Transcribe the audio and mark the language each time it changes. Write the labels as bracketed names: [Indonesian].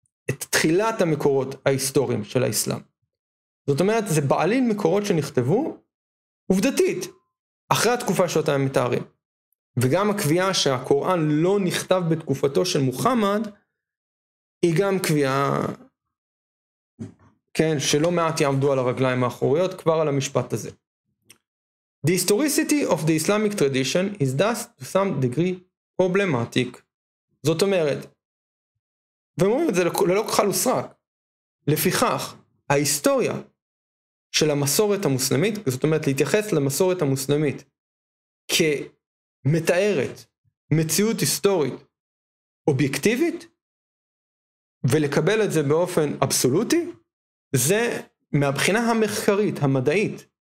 [Hebrew] את תחילת המקורות ההיסטוריים של האסלאם. זאת אומרת, זה בעלין מקורות שנכתבו עובדתית, אחרי התקופה שאותה הם מתארים. וגם הקביעה שהקוראן לא נכתב בתקופתו של מוחמד, היא גם קביעה, כן, שלא מעט יעמדו על הרגליים האחוריות, כבר על המשפט הזה. [English] The historicity of the Islamic tradition is thus to some degree problematic. [Hebrew] זאת אומרת, ואומרים את זה ללא כחל וסרק, לפיכך, ההיסטוריה של המסורת המוסלמית, זאת אומרת, להתייחס למסורת המוסלמית כמתארת מציאות היסטורית אובייקטיבית, ולקבל את זה באופן אבסולוטי, זה מהבחינה המחקרית, המדעית.